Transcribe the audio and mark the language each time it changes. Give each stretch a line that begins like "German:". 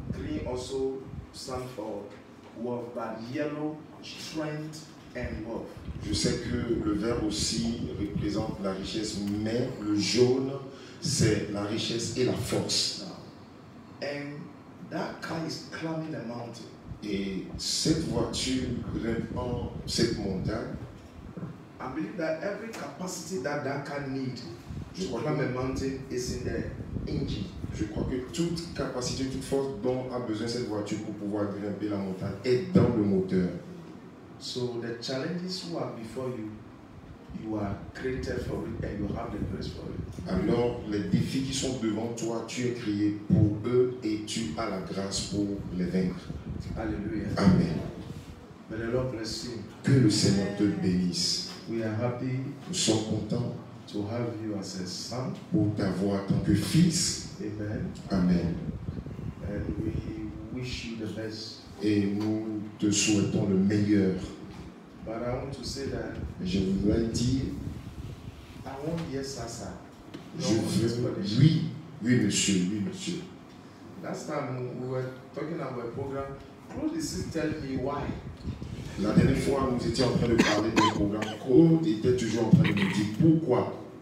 English: Green also stands for wealth, but yellow, strength and wealth.
French: Je sais que le vert aussi représente la richesse, mais le jaune, c'est la richesse et la force.
English: And that car is climbing the mountain.
French: Et cette voiture grimpant cette montagne.
English: I believe that every capacity that that car need to climb a mountain is in the engine.
French: Je crois que toute capacité, toute force dont a besoin cette voiture pour pouvoir grimper la montagne est dans le moteur.
English: So the challenges who are before you, you are created for it and you have the grace for it.
French: Alors les défis qui sont devant toi, tu es créé pour eux et tu as la grâce pour les vaincre. Alléluia. Amen.
English: May the Lord bless you.
French: Que le Seigneur te bénisse.
English: We are happy.
French: Nous sommes contents
English: to have you as a son.
French: Pour t'avoir en tant que fils. Amen. Amen.
English: And we wish you the best.
French: Et nous te souhaitons le meilleur.
English: But I want to say that.
French: Je voudrais dire.
English: I want yes, Sasa.
French: Je veux. Oui, oui, monsieur, oui, monsieur.
English: Last time we were talking about a program. Claude is still telling me why.
French: La dernière fois, nous étions en train de parler d'un programme. Claude était toujours en train de me dire pourquoi.